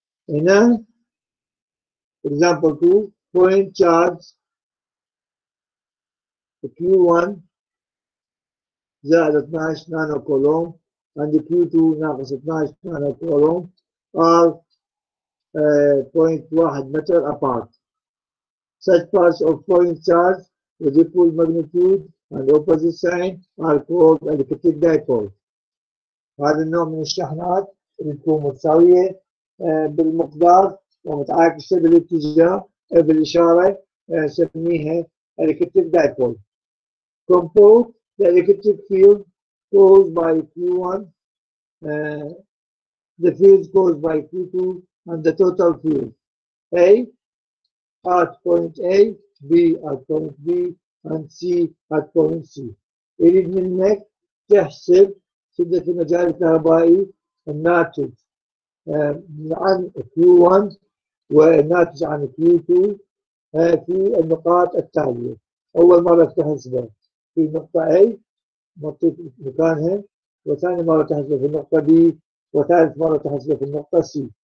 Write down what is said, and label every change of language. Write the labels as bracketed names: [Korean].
[Arabic] هنا [English] example 2 point charge [Arabic] Q1 زائد 12 نانو كولوم عند Q2 ناقص 12 نانو كولوم [English] are point 1 [Arabic] متر [English] apart. Such parts of point charge with equal magnitude and opposite sign are called electric dipole. [Arabic] هذا النوع من الشحنات اللي تكون متساوية بالمقدار ومتعاكسة بالاتجاه بالإشارة نسميها electric dipole. [English] Compute the electric field caused by Q1, the field caused by Q2, and the total field. A at point A, B at point B, and C at point C. [Arabic] يريد منك تحسب شدة المجال الكهربائي الناتج عن Q1 والناتج عن Q2 في النقاط التالية. أول مرة تحسبه في نقطة A نعطيك مكانها، وثاني مرة تحسب في النقطة B، وثالث مرة تحسب في النقطة C.